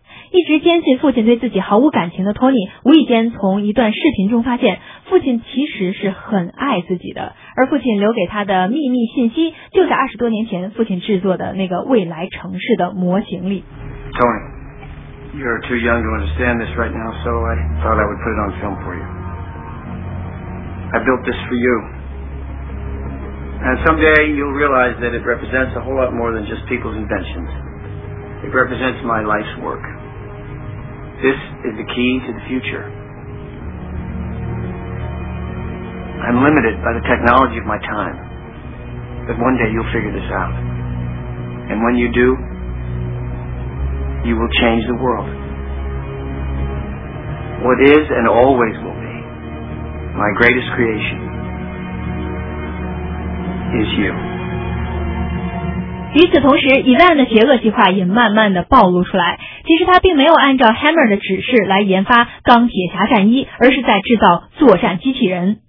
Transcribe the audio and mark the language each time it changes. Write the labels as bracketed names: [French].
[Chinese] 一直坚信父亲对自己毫无感情的托尼，无意间从一段视频中发现，父亲其实是很爱自己的，而父亲留给他的秘密信息，就在20多年前父亲制作的那个未来城市的模型里。 [English] Tony, you're too young to understand this right now, so I thought I would put it on film for you. I built this for you. And someday you'll realize that it represents a whole lot more than just people's inventions. It represents my life's work. This is the key to the future. I'm limited by the technology of my time, but one day you'll figure this out. And when you do, you will change the world. What is and always will be my greatest creation is you. [Chinese] 与此同时，伊万的邪恶计划也慢慢的暴露出来。其实他并没有按照 Hammer 的指示来研发钢铁侠战衣，而是在制造作战机器人。